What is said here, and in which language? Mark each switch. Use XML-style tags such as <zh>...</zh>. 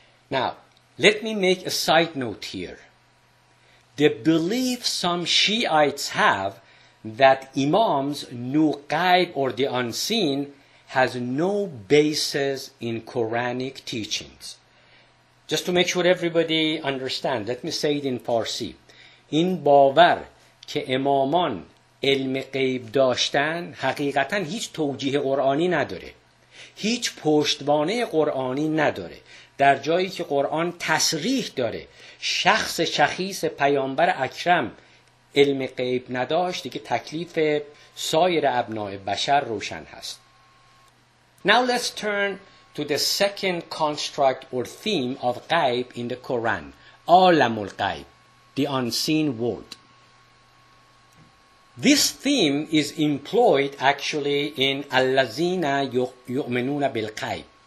<en>Now, let me make a side note here. The belief some Shiites have that Imams knew Ghaib or the unseen has no basis in Quranic teachings. Just to make sure everybody understand, let me say it in Farsi.</en> <fa>این باور که امامان علم غیب داشتن حقیقتا هیچ توجیه قرآنی نداره. هیچ پشتوانه قرآنی نداره. در جایی که قرآن تصریح داره شخص شخیص پیامبر اکرم علم غیب نداشت، دیگه تکلیف سایر ابناء بشر روشن هست.</fa> <en>Now let's turn to the second construct or theme of Ghaib in the Quran, Alamul Ghaib, the unseen world. This theme is employed actually in</en> <ar>Allazina Yu'minuna Bil Ghaib.</ar>